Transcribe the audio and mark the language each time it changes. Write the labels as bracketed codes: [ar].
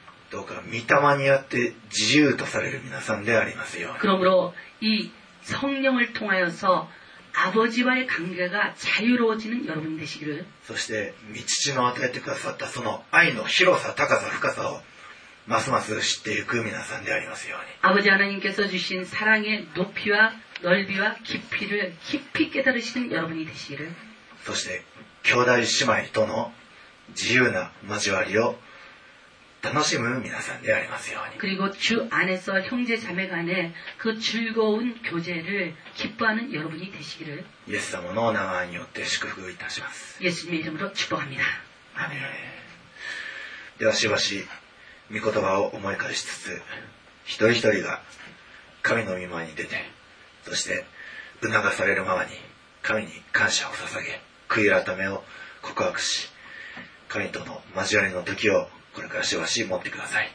[ja] どうか御霊にあって自由とされる皆さんでありますよ [ko] 그러므로이성령을통하여서아버지와의관계가자유로워지는여러분되시기를 [ja] そして [ko] 미치지노아테테가쌓다 [ja] その愛の広さ高さ深さをますます知っていく皆さんでありますように [ko] 아버지하나님께서주신사랑의높이와넓이와깊이를깊이깨달으시는여러분이되시기를 [ja] そして兄弟姉妹との自由な交わりを楽しむ皆さんでありますように [ko] 그리고주안에서형제자매간의그즐거운교제를기뻐하는여러분이되시기를 [ja] 예수様の名前によって祝福いたします。 [ko] 예수님의이름으로축복합니다。 아멘。 [ja] ではしばし御言葉を思い返しつつ一人一人が神の御前に出てそして促されるままに神に感謝を捧げ悔い改めを告白し神との交わりの時をこれからしばし持ってください。